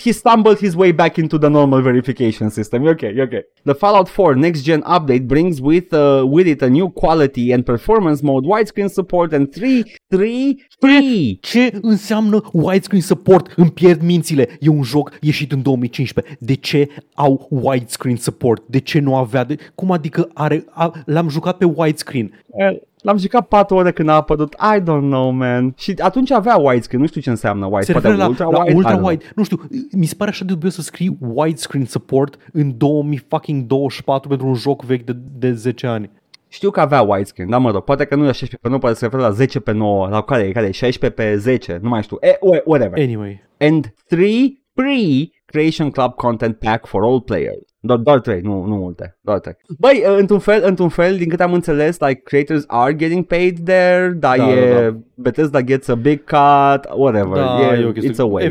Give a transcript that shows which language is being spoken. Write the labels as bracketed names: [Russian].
[English] He stumbled his way back into the normal verification system. [Romanian] E ok. [English] The Fallout 4 next gen update brings with it a new quality and performance mode, widescreen support and 3 [Romanian] Ce înseamnă widescreen support? Îmi pierd mințile. E un joc ieșit în 2015. De ce au widescreen support? De ce nu avea? Cum adică l-am jucat pe widescreen? L-am jucat 4 ore când a apărut. [English] I don't know, man. [Romanian] Și atunci avea widescreen. Nu știu ce înseamnă widescreen. Se referă la ultra-wide. Nu știu. Mi se pare așa de dubios să scrii widescreen support în 2024 pentru un joc vechi de 10 ani. Știu că avea widescreen, dar mă rog, poate că nu e 16:9, poate se referă la 10:9, la care e 16:10, nu mai știu. [English] Whatever. Anyway. And 3 pre-creation club content pack for all players. [Romanian] Doar 3, nu multe, doar 3. Băi, într-un fel, din câte am înțeles, like, [English] creators are getting paid there, [Romanian] dar [English] Bethesda gets a big cut, whatever, it's a way.